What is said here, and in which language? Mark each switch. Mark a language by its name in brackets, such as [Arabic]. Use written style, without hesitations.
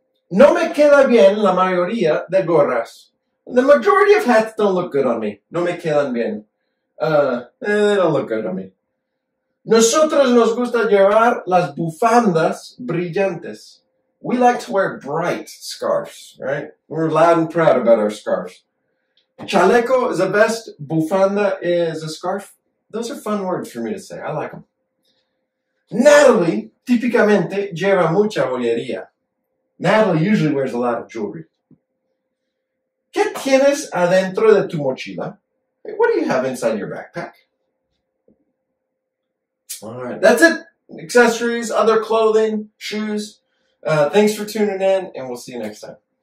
[Spanish] No me queda bien la mayoría de gorras. [English] The majority of hats don't look good on me. [Spanish] No me quedan bien. [English] They don't look good on me. [Spanish] Nosotros nos gusta llevar las bufandas brillantes. [English] We like to wear bright scarves, right? We're loud and proud about our scarves. Chaleco is the best. Bufanda is a scarf. Those are fun words for me to say. I like them. [Spanish] Natalie, típicamente, lleva mucha joyería. [English] Natalie usually wears a lot of jewelry. [Spanish] ¿Qué tienes adentro de tu mochila? [English] What do you have inside your backpack? All right, that's it. Accessories, other clothing, shoes. Thanks for tuning in, and we'll see you next time.